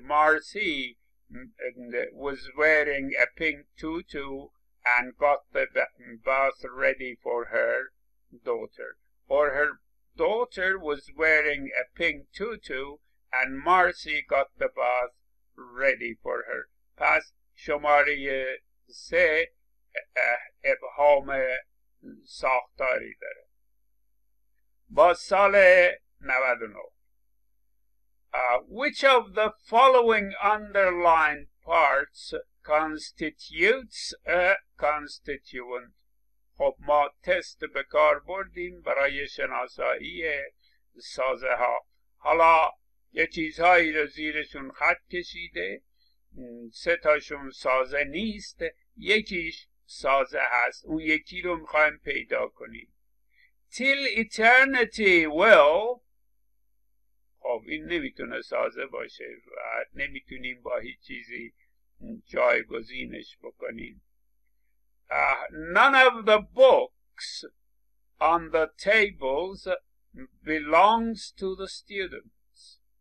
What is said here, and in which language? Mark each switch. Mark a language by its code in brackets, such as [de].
[en] Marcy was wearing a pink tutu and got the bath ready for her daughter. Or her daughter was wearing a pink tutu and Marcy got the bath ready for her. [fa] پس شماره سه ابهام ساختاری داره. با سال 99. [en] Which of the following underlined parts constitutes a constituent? [fa] خب ما تست به کار بردیم برای شناسایی سازه ها. حالا یه چیزهایی رو زیرشون خط کشیده. سه تاشون سازه نیست. یکیش سازه هست. اون یکی رو میخوایم پیدا کنیم. [en] Till eternity will. [fa] خب این نمیتونه سازه باشه و نمیتونیم با هیچ چیزی جایگزینش بکنیم. [en] None of the books on the tables belongs to the students.